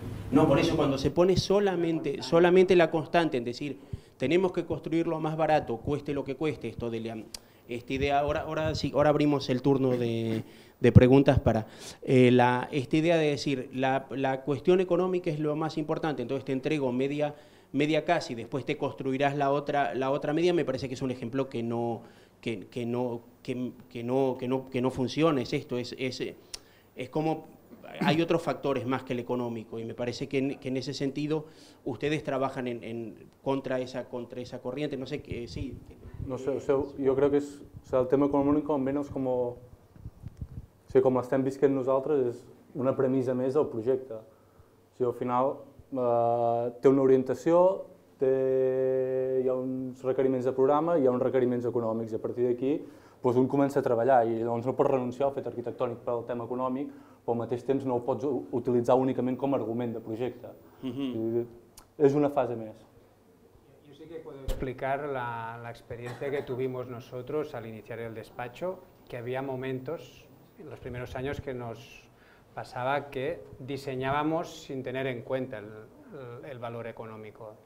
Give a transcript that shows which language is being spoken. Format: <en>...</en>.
<es>No, por eso cuando se pone solamente, solamente la constante en decir tenemos que construirlo más barato, cueste lo que cueste, esto de la, esta idea, ahora, ahora sí, ahora abrimos el turno de preguntas para la, esta idea de decir la, la cuestión económica es lo más importante, entonces te entrego media, media casa y después te construirás la otra media, me parece que es un ejemplo que no, que no, que no, que no, que no funciona, es esto, es como hay otros factores más que el económico y me parece que en ese sentido ustedes trabajan en contra esa corriente, no sé qué, sí. No sé, o sea,</es> <ca>yo creo que es, o sea, el tema económico, almenys com o sigui, com l'estem visquent nosaltres, és una premissa més del projecte. O sigui, al final té una orientació, té, hi ha uns requeriments de programa, hi ha uns requeriments econòmics i a partir d'aquí doncs un comença a treballar i llavors no pots renunciar al fet arquitectònic pel tema econòmic, però al mateix temps no ho pots utilitzar únicament com a argument de projecte. És una fase més.</ca> <es>Yo sí que puedo explicar la, la experiencia que tuvimos nosotros al iniciar el despacho, que había momentos en los primeros años que nos pasaba que diseñábamos sin tener en cuenta el valor económico.</es>